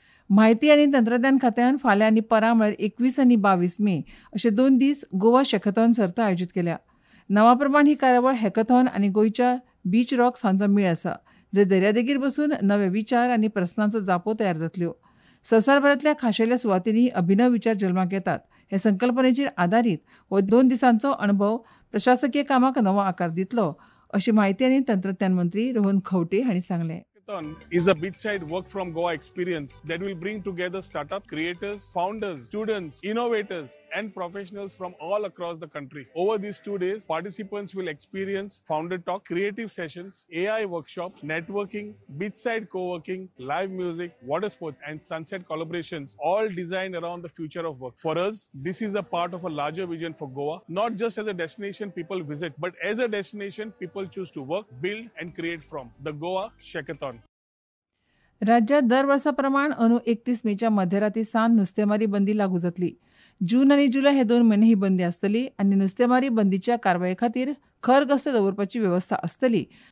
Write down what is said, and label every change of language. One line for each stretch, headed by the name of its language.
Konkani: म्हायती आनी तंत्रज्ञान खात्यान फाल्यां आनी परां म्हळ्यार 21 आनी 22 मे अशे दोन दीस गोवा शेकथॉन सर्त आयोजीत केल्या. नांवाप्रमाण ही कार्यावळ हॅकथॉन आनी गोंयच्या बीच रॉक्स हांचो मेळ आसा, जंय दर्यादेगीर बसून नवे विचार आनी प्रस्नांचो जापो तयार जातल्यो. संवसारभरांतल्या खाशेल्या सुवातींनी अभिनव विचार जल्माक येतात हे संकल्पनेचेर आदारीत हो दोन दिसांचो अणभव प्रशासकीय कामाक नवो आकार दितलो अशी माहिती आणि तंत्रज्ञान मंत्री रोहन खवटे यांनी सांगले.
English: Hackathon is a beachside work from Goa experience that will bring together startup creators, founders, students, innovators and professionals from all across the country. Over these 2 days, participants will experience founder talk, creative sessions, AI workshops, networking, beachside co-working, live music, water sports and sunset collaborations, all designed around the future of work. For us, this is a part of a larger vision for Goa, not just as a destination people visit, but as a destination people choose to work, build and create from. The Goa Shackathon.
Konkani: राज्यात दर वर्सा प्रमाण अनु 31 मेच्या मध्यराती सान नुस्तेमारी बंदी लागू जातली. जून आनी जुलय हे दोन महिने ही बंदी आसतली आनी नुस्तेमारी बंदीच्या कारवाये खातीर खर गस्त दवरपाची वेवस्था आसतली.